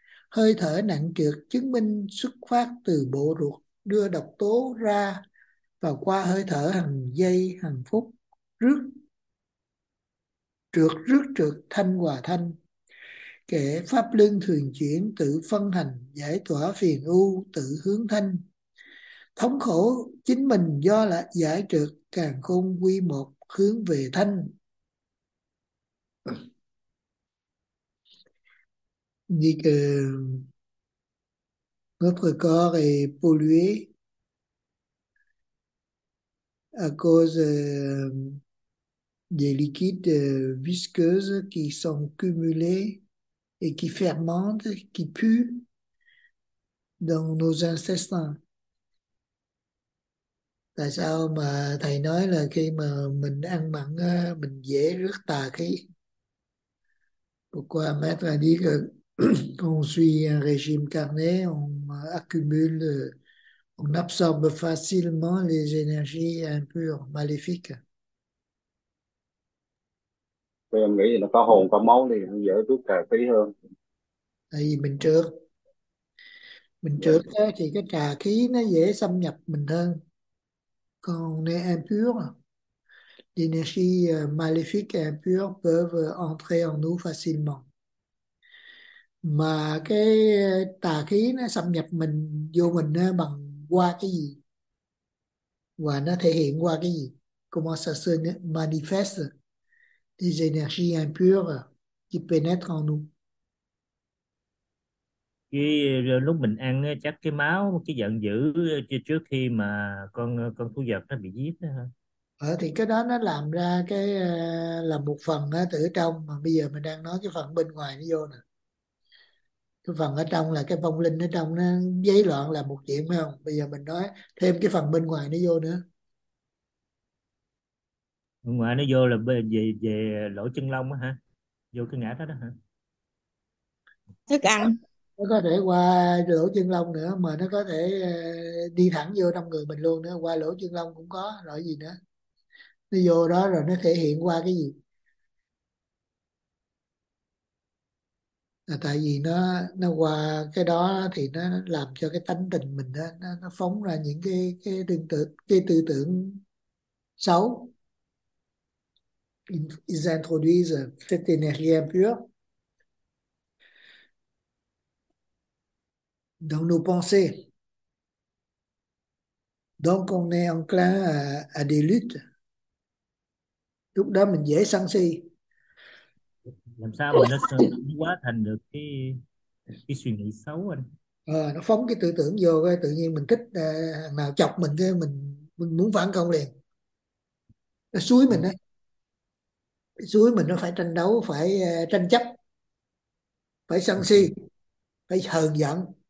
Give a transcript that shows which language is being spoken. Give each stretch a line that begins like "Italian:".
Vietnamese: Hơi thở nặng trượt chứng minh xuất phát từ bộ ruột đưa độc tố ra và qua hơi thở hàng giây hàng phút rước trượt thanh hòa thanh. Kệ pháp luân thường chuyển tự phân hành giải tỏa phiền ưu tự hướng thanh. Thống khổ chính mình do là giải trượt càn khôn quy một hướng về thanh.
French: Như que notre corps est pollué à cause des liquides visqueuses qui sont cumulés et qui fermentent, qui puent dans nos intestins.
Vietnamese: Tại sao mà thầy nói là khi mà mình ăn mặn mình dễ rước tà khí?
French: Pourquoi maître a dit que on suit un régime carné, on absorbe facilement les énergies impures, maléfiques.
Vietnamese: Tôi em nghĩ là có hồn có máu thì dễ rước tà khí hơn. Tại vì mình trượt đó, thì cái trà khí nó dễ xâm nhập mình hơn. Còn nếu em
French: pure, l'énergie maléfique et impure peuvent entrer en nous facilement.
Vietnamese: Mà cái tà khí nó xâm nhập mình vô mình bằng qua cái gì? Và nó thể hiện qua cái gì?
French: Comment ça se manifeste? Des énergies impures qui pénètrent en nous.
Vietnamese: Cái lúc mình ăn chắc cái máu cái giận dữ trước khi mà con thú vật nó bị giết đó hả? Thì cái đó nó làm ra cái là một phần từ trong, mà bây giờ mình đang nói cái phần bên ngoài nó vô nè. Cái phần ở trong là cái vong linh ở trong nó dấy loạn là một chuyện, phải không? Bây giờ mình nói thêm cái phần bên ngoài nó vô nữa. Ngoài nó vô là về về lỗ chân lông á hả, vô cái ngã đó đó hả? Thức ăn. Nó có thể qua lỗ chân lông nữa, mà nó có thể đi thẳng vô trong người mình luôn nữa, qua lỗ chân lông cũng có, rồi gì nữa. Nó vô đó rồi nó thể hiện qua cái gì? Là tại vì nó qua cái đó thì nó làm cho cái tánh tình mình đó, nó phóng ra những cái tư tưởng xấu.
French: Introduce cette énergie impure dans nos pensées. Donc on est enclin à des luttes.
Vietnamese: Lúc đó mình dễ sân si. Làm sao mà nó hóa thành được cái suy nghĩ xấu anh? Nó phóng cái tư tưởng vô, cái tự nhiên mình thích thằng nào chọc mình, cái mình muốn phản công liền. Nó xúi mình á, xúi mình nó phải tranh đấu, phải tranh chấp, phải sân si, phải hờn giận.